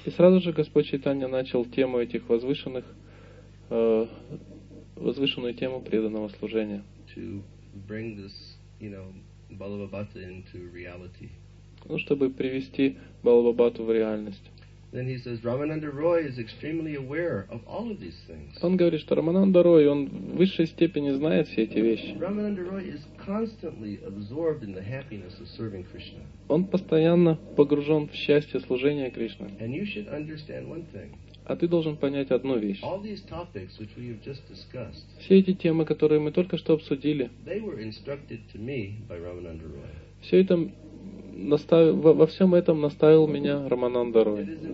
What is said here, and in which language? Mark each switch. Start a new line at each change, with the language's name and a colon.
Russian: И сразу же Господь Чайтанья начал тему этих возвышенных, возвышенную тему преданного служения.
English: To bring this, you know, Balbabata into reality.
Russian: Ну, чтобы привести Балбабату в реальность.
English: Then he says, Ramananda Roy is extremely aware of all of these things.
Russian: Он говорит, что Рамананда Рой, он в высшей степени знает все эти вещи.
English: Ramananda Roy is constantly absorbed in the happiness of serving Krishna.
Russian: Он постоянно погружен в счастье служения Кришне.
English: And you should understand one thing.
Russian: А ты должен понять одну вещь.
English: All these topics which we have just discussed.
Russian: Все эти темы, которые мы только что обсудили.
English: They were instructed to me by Ramananda Roy.
Russian: Все это во всем этом наставил меня Рамананда Рой.